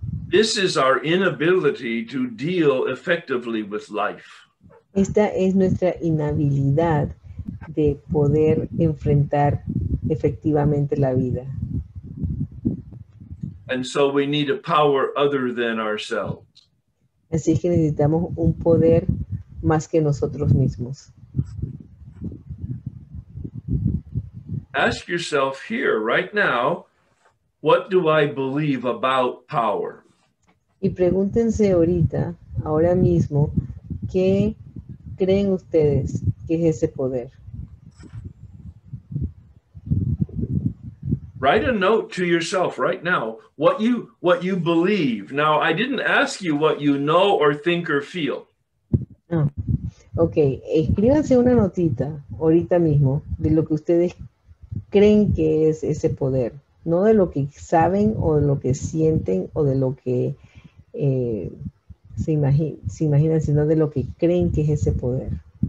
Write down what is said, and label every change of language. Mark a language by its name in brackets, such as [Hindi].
[English] This is our inability to deal effectively with life. [Spanish] Esta es nuestra inhabilidad de poder enfrentar efectivamente la vida. [English] And so we need a power other than ourselves. [Spanish] Así que necesitamos un poder más que nosotros mismos. [English] Ask yourself here, right now, what do I believe about power? [Spanish] Y pregúntense ahorita, ahora mismo, ¿qué creen ustedes que es ese poder? [English] Write a note to yourself right now, what you believe. Now, I didn't ask you what you know or think or feel. [Spanish] Oh, okay, escríbanse una notita ahorita mismo de lo que ustedes creen que es ese poder. No de lo que saben o de lo que sienten o de lo que se imaginan, sino de lo que creen que es ese poder.